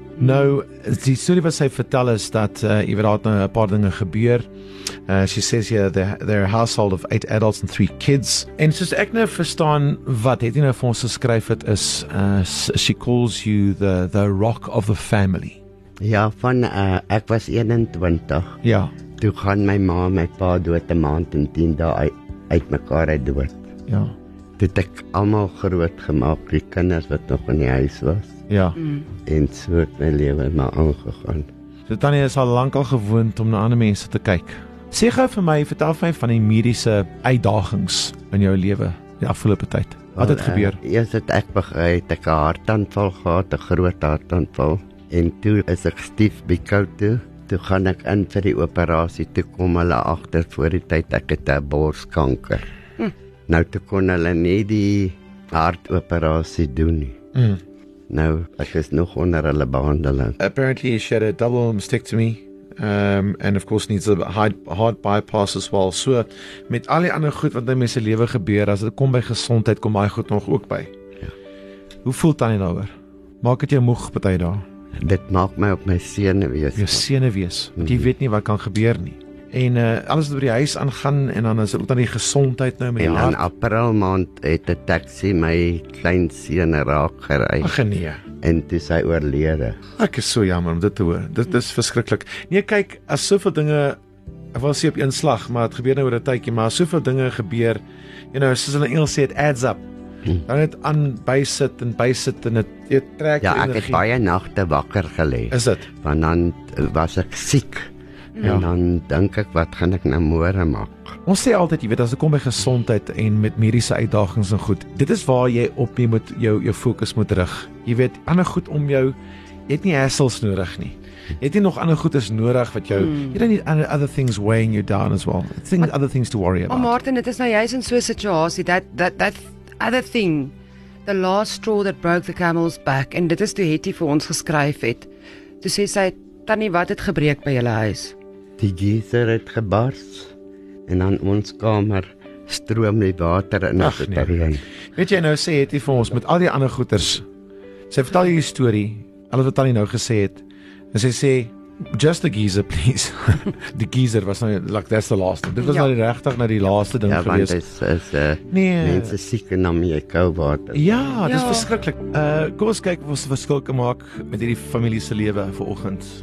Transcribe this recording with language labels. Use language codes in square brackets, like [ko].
[af] Nou, die story wat sy vertel is dat jy weet daar het nou 'n paar dinge gebeur. [en] She says here they're a household of 8 adults and 3 kids. [af] En soos ek nou verstaan wat het jy nou vir ons geskryf het is [en] she calls you the rock of the family. [af] Ja, van ek was 21. Ja. Toe gaan my ma en my pa dood 'n maand en 10 dae uit mekaar uit dood. Ja. Toe het ek almal groot gemaak, die kinders wat nog in die huis was. Ja. En so het my lewe maar aangegaan. So tannie is al lank al gewoond om na ander mense te kyk. Sê gou vir my, vertel vir my van die mediese uitdagings in jou lewe die afgelope tyd. Wat het gebeur? Eers het ek begin ek 'n hartaanval gehad, 'n groot hartaanval. En toe is ek stief by koud toe. Toe gaan ek in vir die operasie, toe kom hulle agter voor die tyd, ek het 'n borskanker. Nou toe kon hulle nie die hartoperasie doen nie. Nou, ek is nog onder hulle behandeling. [en] Apparently she had a double mastectomy. And of course needs a heart bypass as well. [af] So, met al die ander goed wat in mense lewe gebeur, as dit kom by gesondheid, kom baie goed nog ook by. Ja. Hoe voel tannie daaroor? Maak dit jou moeg baie daar? Dit maak my op my senuwees. Jou senuwees, want jy weet nie wat kan gebeur nie. En alles wat by die huis aangaan en dan is ook dan die gesondheid nou met en die hart. In April maand het 'n taxi my klein seun raak gery. Ag nee. En toe is hy oorlede. Ek is so jammer om dit te hoor. Dit is verskriklik. Nee, kyk, as soveel dinge ek wil sê op een slag, maar het gebeur nou oor 'n tydjie, maar soveel dinge gebeur, [en] you know, [af] soos hulle in Engels sê, [en] it adds up. [af] Dan het aan bysit en bysit en het trek energie. Ja, ek het baie nagte wakker gelê. Is dit? Want dan was ek siek. Ja. En dan dink ek, wat gaan ek nou môre maak? Ons sê altyd, jy weet, as dit kom by gesondheid en met mediese uitdagings en goed, dit is waar jy op jy moet jou fokus moet rig. Jy weet, ander goed om jou, jy het nie hassles nodig nie. Jy het nie nog ander goed is nodig wat jou, jy [en] don't need other things weighing you down as well. Other things to worry about. [af] Oh Martin, dit is nou juist in so 'n situasie, [en] that other thing, the last straw that broke the camel's back, [af] en dit is toe Hetty vir ons geskryf het, toe sê sy, tannie, wat het gebreek by julle huis? Die geyser het gebars en aan ons kamer stroom die water in as dit reën. Weet jy nou sê het jy vir ons met al die ander goeters. Sy vertel jou storie, alles wat tannie nou gesê het. En sy sê [en] just the geyser please. [af] Die geyser was nou [en] like that's the last. [af] Dit was nou regtig na die laaste ding gewees. Ja, want is mense siek en dan jy kou water. Ja, dis verskriklik. Kom ons kyk of ons 'n verskil kan maak met hierdie familie se lewe vanoggend.